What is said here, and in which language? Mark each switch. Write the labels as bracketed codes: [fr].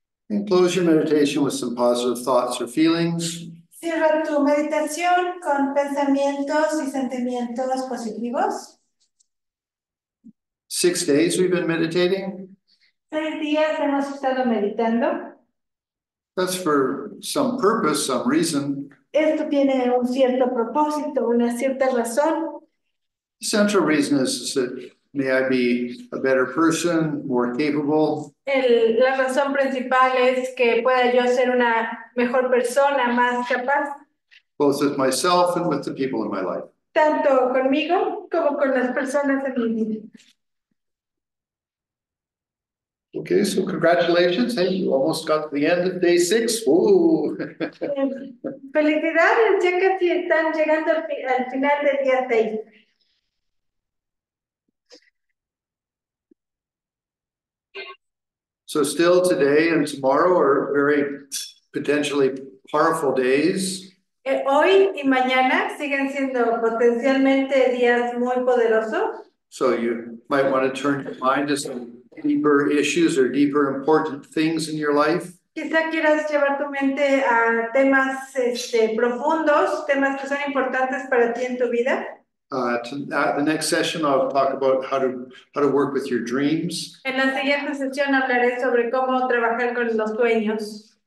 [en] And close your meditation with some positive thoughts or feelings. [es] Cierra tu meditación con pensamientos y sentimientos positivos. [en] 6 days we've been meditating. [es] 6 días hemos estado meditando. [en] That's for some purpose, some reason. [es] Esto tiene un cierto propósito, una cierta razón. [en] Central reason is that may I be a better person, more capable. [es] La razón principal es que pueda yo ser una mejor persona, más capaz. [en] Both with myself and with the people in my life. [es] Tanto conmigo como con las personas en mi vida. [en] Okay, so congratulations. Hey, you almost got to the end of day 6. [es] Felicidades, ya casi están llegando al final del día 6. [en] So still today and tomorrow are very potentially powerful days. [es] Hoy y mañana siguen siendo potencialmente días muy poderosos. [en] So you might want to turn your mind to some deeper issues or deeper important things in your life. [es] Quizá quieras llevar tu mente a temas profundos, temas que son importantes para ti en tu vida. [en] The next session, I'll talk about how to work with your dreams. [es] En la siguiente sesión hablaré sobre cómo trabajar con los sueños.